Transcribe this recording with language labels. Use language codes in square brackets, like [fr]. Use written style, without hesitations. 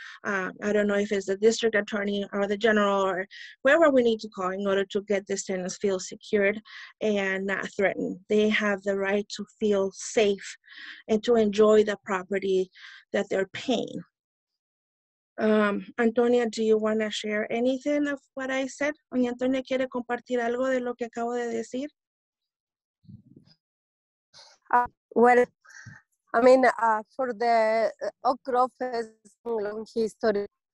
[en] I don't know if it's the district attorney or the general or whoever we need to call in order to get these tenants feel secured and not threatened. They have the right to feel safe and to enjoy the property that they're paying. Antonia, do you want to share anything of what I said? [es] Doña Antonia, ¿quiere compartir algo de lo que acabo de decir? [en] For the Oak Grove is a long history.